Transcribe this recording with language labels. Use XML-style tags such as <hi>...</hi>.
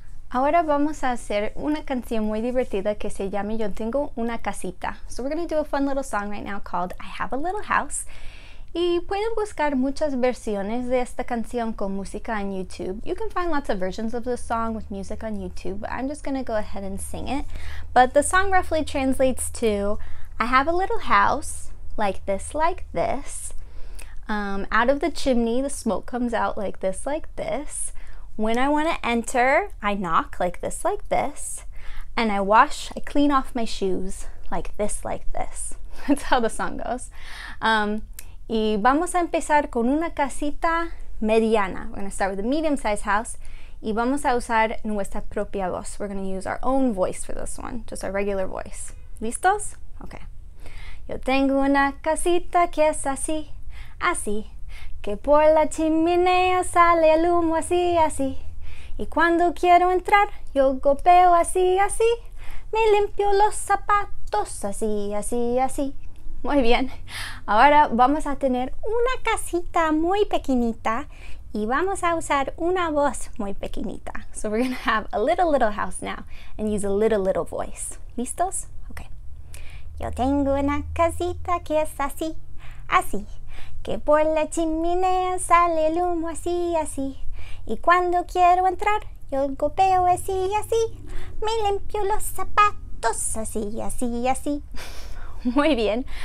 <es>Ahora vamos a hacer una canción muy divertida que se llama Yo Tengo Una Casita.</es> <en>So we're going to do a fun little song right now called I Have a Little House.</en> <es>Y pueden buscar muchas versiones de esta canción con música en YouTube.</es> <en>You can find lots of versions of this song with music on YouTube, but I'm just going to go ahead and sing it. But the song roughly translates to I have a little house, like this, out of the chimney the smoke comes out like this, when I want to enter, I knock like this, and I wash, I clean off my shoes, like this. That's how the song goes.</en> <es>Y vamos a empezar con una casita mediana.</es> <en>We're going to start with a medium-sized house,</en> <es>y vamos a usar nuestra propia voz.</es> <en>We're going to use our own voice for this one, just our regular voice.</en> <es>¿Listos? Okay. Yo tengo una casita que es así, así, que por la chimenea sale el humo así, así. Y cuando quiero entrar, yo golpeo así, así, me limpio los zapatos así, así, así. Muy bien. Ahora vamos a tener una casita muy pequeñita y vamos a usar una voz muy pequeñita.</es> <en>So we're going to have a little house now and use a little voice.</en> <es>¿Listos? Yo tengo una casita que es así, así, que por la chimenea sale el humo así, así. Y cuando quiero entrar, yo golpeo así, así, me limpio los zapatos así, así, así. Muy bien.</es>